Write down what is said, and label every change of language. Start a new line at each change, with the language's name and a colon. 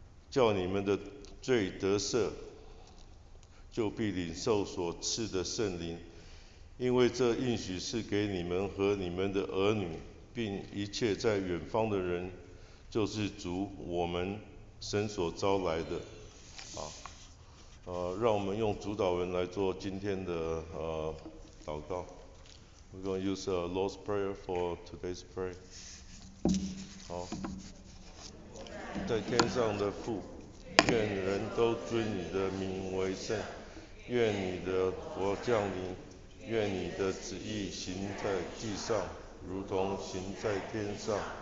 Chinese: 叫你们的罪得赦，就必领受所赐的圣灵，因为这应许是给你们和你们的儿女，并一切在远方的人，就是主我们神所招来的。啊，让我们用主导文来做今天的祷告。
English: We're going to use a Lord's Prayer for today's prayer.
Chinese: 好，在天上的父，愿人都尊你的名为圣，愿你的国降临，愿你的旨意行在地上，如同行在天上。